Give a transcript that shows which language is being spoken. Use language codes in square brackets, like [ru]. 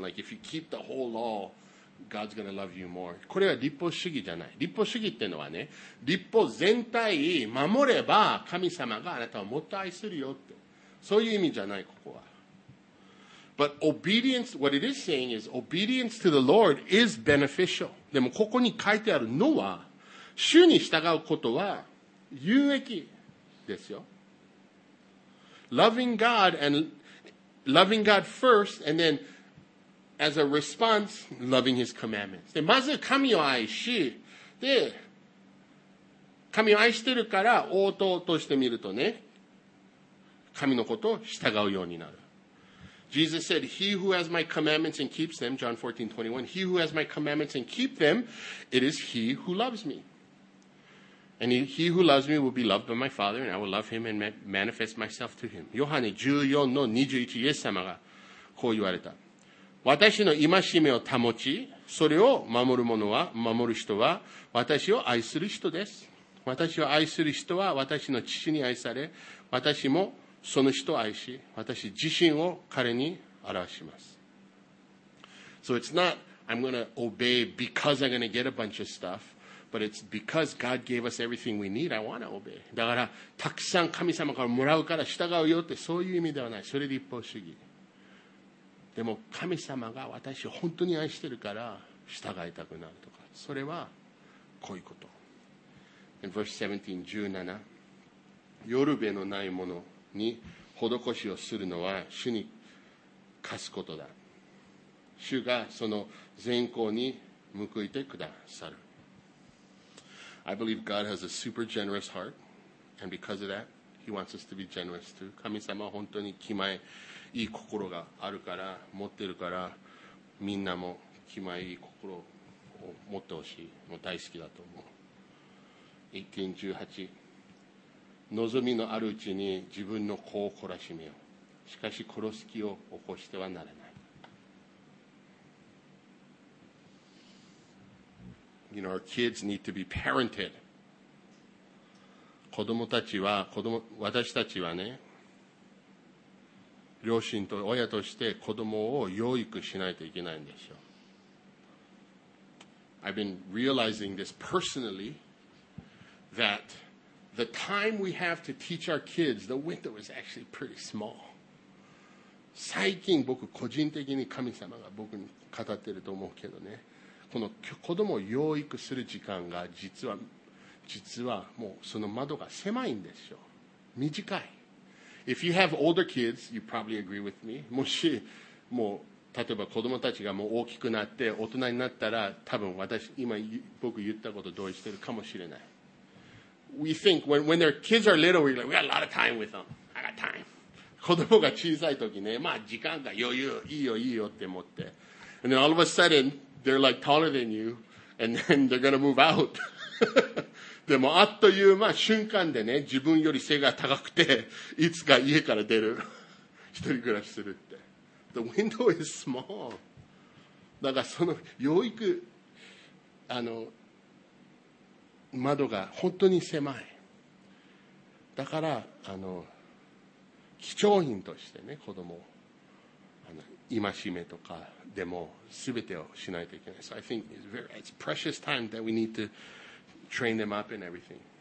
[en] Like, if you keep the whole law, God's going to love you more. [ja] これは立法主義じゃない。立法主義ってのはね、立法全体守れば神様があなたをもっと愛するよって。そういう意味じゃない、ここは。 [en] But obedience, what it is saying is, obedience to the Lord is beneficial. [ja] でもここに書いてあるのは、主に従うことは有益ですよ。 [en] Loving God and loving God first, and then as a response, loving His commandments. [ja] で、まず神を愛し、で、神を愛してるから応答としてみるとね、神のことを従うようになる。 [en] Jesus said, He who has my commandments and keeps them, John 14:21, He who has my commandments and keep them, it is He who loves me. And he who loves me will be loved by my Father, and I will love him and manifest myself to him. [ja] ヨハネ 14:21, イエス様がこう言われた。私の戒めを保ち、それを守る者は、守る人は、私を愛する人です。私を愛する人は、私の父に愛され、私もその人を愛し、私自身を彼に表します。 [en] So it's not, I'm going to obey because I'm going to get a bunch of stuff. But it's because God gave us everything we need, I want to obey. [ja] だから、たくさん神様からもらうから従うよって、そういう意味ではない。それで立法主義。でも、神様が私を本当に愛してるから、従いたくなるとか。それは、こういうこと。 [en] In verse [ja] 17:17、よるべのないものに施しをするのは、主に貸すことだ。主がその善行に報いてくださる。 [en] I believe God has a super generous heart, and because of that, He wants us to be generous too. [ja] 神様は本当に気前いい心があるから、持ってるから、みんなも気前いい心を持ってほしい。もう大好きだと思う。 18:18、望みのあるうちに自分の子を懲らしめよ。しかし殺す気を起こしてはならない。 [en] You know, our kids need to be parented. [ja] 子供たちは、子供、私たちはね、両親と親として子供を養育しないといけないんですよ。 [en] I've been realizing this personally, that the time we have to teach our kids, the window is actually pretty small. [ja] 最近僕個人的に神様が僕に語ってると思うけどね。この子供を養育する時間が実はもうその窓が狭いんですよ。短い。 [en] If you have older kids, you probably agree with me. [ja] もしもう例えば子供たちがもう大きくなって大人になったら、多分私今僕言ったこと同意してるかもしれない。 [en] We think when their kids are little, we're like, we got a lot of time with them. I got time. [ja] 子供が小さい時ね、まあ時間が余裕、いいよいいよって思って、 [en] and then all of a sudden。 They're like taller than you, and then they're gonna move out. [ja] でもあっという間瞬間でね、自分より背が高くていつか家から出る一人暮らしするって。 [en] The window is small. [ja] だからその養育窓が本当に狭い。だから貴重品としてね、子供を戒めとかでも全てをしないといけない。 [en] So I think it's very, it's precious time that we need to train them up and everything.